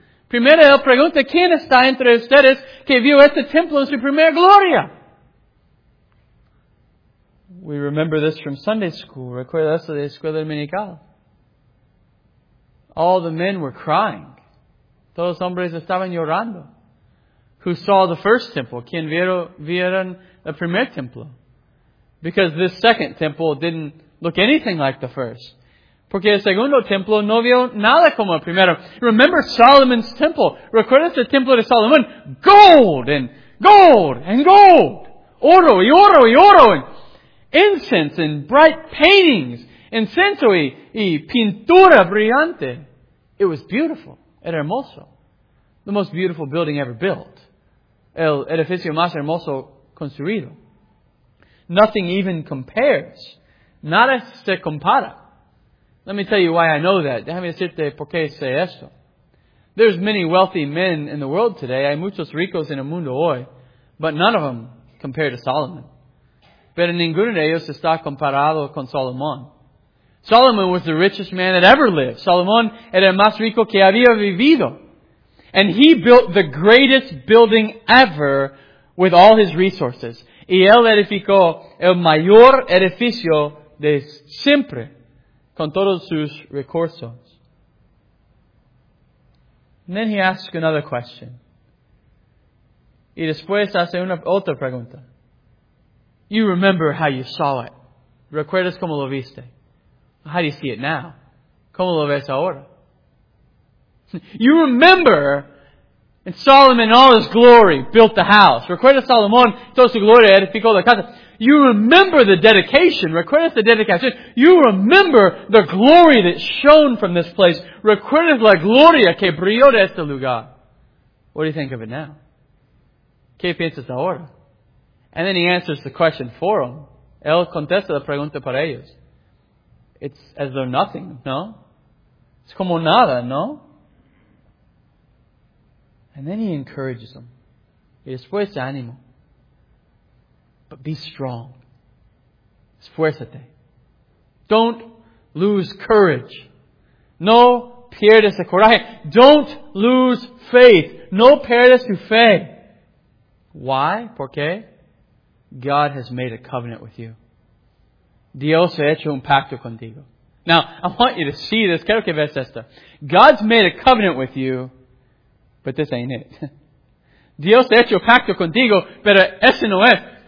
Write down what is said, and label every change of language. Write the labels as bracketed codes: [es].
[es] Primero él pregunta, ¿quién está entre ustedes que vio este templo en su primera gloria? [en] We remember this from Sunday school. [es] Recuerda esto de escuela dominical. [en] All the men were crying. [es] Todos los hombres estaban llorando. [en] Who saw the first temple? [es] ¿Quién vieron el primer templo? [en] Because this second temple didn't look anything like the first. [es] Porque el segundo templo no vio nada como el primero. [en] Remember Solomon's temple. [es] Recuerda el templo de Salomón. [en] Gold and gold and gold. [es] Oro y oro y oro. [en] And incense and bright paintings. [es] Incenso y pintura brillante. [en] It was beautiful. [es] Era hermoso. [en] The most beautiful building ever built. [es] El edificio más hermoso construido. [en] Nothing even compares. [es] Nada se compara. [en] Let me tell you why I know that. [es] Déjame decirte por qué sé esto. [en] There's many wealthy men in the world today. [es] Hay muchos ricos en el mundo hoy. [en] But none of them compare to Solomon. [es] Pero ninguno de ellos está comparado con Salomón. [en] Solomon was the richest man that ever lived. [es] Salomón era el más rico que había vivido. [en] And he built the greatest building ever with all his resources. [es] Y él edificó el mayor edificio de siempre. Con todos sus recursos. [en] And then he asks another question. [es] Y después hace otra pregunta. [en] You remember how you saw it. [es] ¿Recuerdas cómo lo viste? [en] How do you see it now? [es] ¿Cómo lo ves ahora? [en] You remember and Solomon in all his glory built the house. [es] ¿Recuerdas Salomón toda su gloria edificó la casa? [en] You remember the dedication. [es] Recuerdas [en] the dedication. You remember the glory that shone from this place. [es] Recuerdas la gloria que brilló de este lugar. [en] What do you think of it now? [es] ¿Qué piensas ahora? [en] And then he answers the question for them. [es] Él contesta la pregunta para ellos. [en] It's as though nothing, no? It's [es] como nada, no? [en] And then he encourages them. [es] Y después se animó. [en] But be strong. [es] Esfuérzate. [en] Don't lose courage. [es] No pierdas el coraje. [en] Don't lose faith. [es] No pierdas tu fe. [en] Why? [es] ¿Por qué? [en] God has made a covenant with you. [es] Dios ha hecho un pacto contigo. [en] Now, I want you to see this. [es] Quiero que veas esto. [en] God's made a covenant with you, but this ain't it. [es] Dios ha hecho un pacto contigo, pero ese no es.